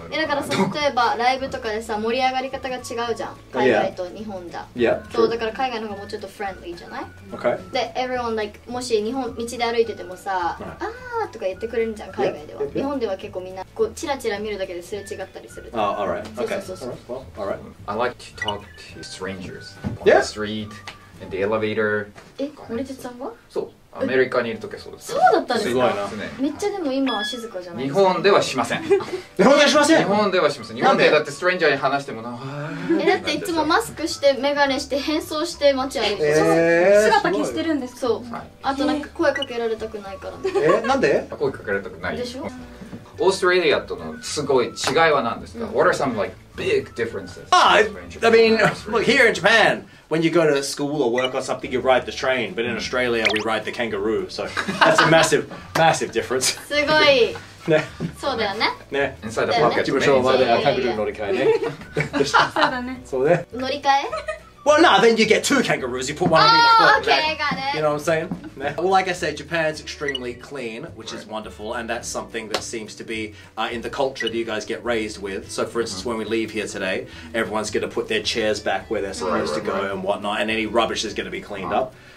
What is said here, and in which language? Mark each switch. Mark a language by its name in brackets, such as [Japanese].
[Japanese] だから例えば、ライブとかでさ、盛り上がり方が違うじゃん。海外と日本じゃ。そう、だから海外の方がもうちょっとフレンドリーじゃない ?OK。で、 [English] everyone, like, [Japanese] もし日本、道で歩いててもさ、ああとか言ってくれるじゃん、海外では。日本では結構みんな、こう、チラチラ見るだけですれ違ったりする。ああ、あら、OK。そうそうそう。あら、 [English] I like to talk. To strangers on the street in the elevator. So, [Japanese] America にいるときそうです。そうだったんですか。すごいな。めっちゃでも今は静かじゃないですか。日本ではしません。日本ではしません。日本ではします。日本でだってストレンジャーに話してもな。だっていつもマスクしてメガネして変装して街歩いて。姿消してるんです。そう。あとなんか声かけられたくないから。なんで？声かけられたくない。でしょ。オーストラリアとのすごい違いは何ですか ? [English] What are some like big differences? I mean, look, here in Japan, when you go to school or work or something, you ride the train, but in Australia, we ride the kangaroo, so that's a massive, massive difference. [Japanese] すごいね。そうだよね。ね。 [English] Inside the pocket. [Japanese] 自分の場合はカンガルー乗り換えね。そうだね。そうね。乗り換え [English] Well, no, then you get two kangaroos, you put one in each foot. Oh, okay, got it. You know what I'm saying? Well, like I said, Japan's extremely clean, which is wonderful, and that's something that seems to be in the culture that you guys get raised with. So, for instance, when we leave here today, everyone's going to put their chairs back where they're supposed to go and whatnot, and any rubbish is going to be cleaned up.